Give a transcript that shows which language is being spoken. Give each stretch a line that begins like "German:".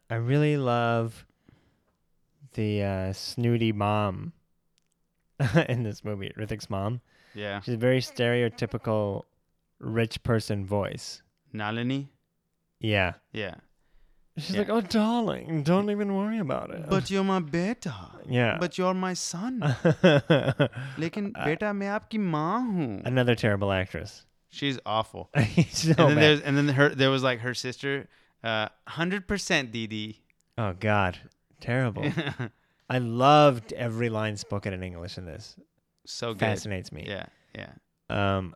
English: I really love the snooty mom in this movie, Hrithik's mom. Yeah. She's a very stereotypical rich person voice. Nalini? Yeah. Yeah. She's like, oh, darling, don't even worry about it. But you're my beta. Yeah. But you're my son.
Hindi: लेकिन बेटा, मैं आपकी माँ हूँ.
English: Another terrible actress. She's awful. So and then there was like her sister, 100% Didi. Oh, God. Terrible. I loved every line spoken in English in this. So good. Fascinates me. Yeah, yeah.